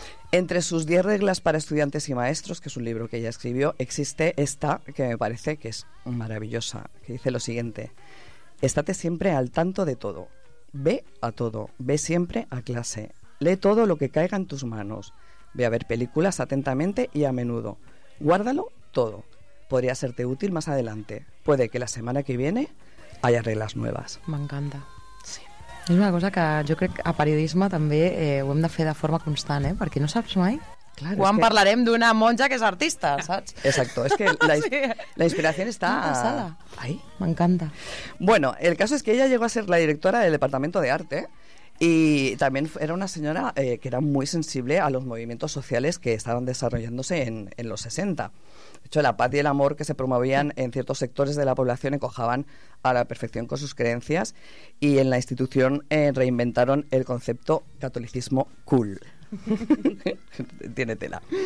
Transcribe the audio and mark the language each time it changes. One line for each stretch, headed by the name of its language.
Spanish: Entre sus 10 reglas para estudiantes y maestros, que es un libro que ella escribió, existe esta que me parece que es maravillosa, que dice lo siguiente: estate siempre al tanto de todo, ve a todo, ve siempre a clase, lee todo lo que caiga en tus manos, ve a ver películas atentamente y a menudo, guárdalo todo, podría serte útil más adelante, puede que la semana que viene haya reglas nuevas. Me encanta.
Catalan: És una cosa que jo crec que a periodisme també ho hem de fer de forma constant, eh? Perquè no saps mai claro, quan parlarem que... d'una monja que és artista, saps? Exacto, és que la, sí. La inspiració està... Ai, m'encanta.
Spanish: Bueno, el caso es que ella llegó a ser la directora del Departamento de Arte y también era una señora que era muy sensible a los movimientos sociales que estaban desarrollándose en los 60. De hecho, la paz y el amor que se promovían en ciertos sectores de la población encajaban a la perfección con sus creencias y en la institución reinventaron el concepto catolicismo cool. Tiene tela.